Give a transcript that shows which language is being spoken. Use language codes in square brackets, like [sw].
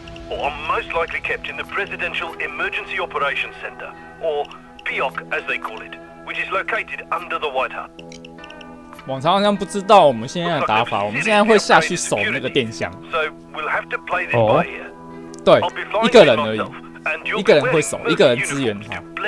[en] Or I'm most likely kept in the Presidential Emergency Operations Center, or PEOC as they call it, which is located under the White House. [zh] 往常好像不知道我们现在的打法，我们现在会下去守那个电箱。 [en] So we'll have to play this by ear. [zh] 对，一个人而已，一个人会守，一个人支援他。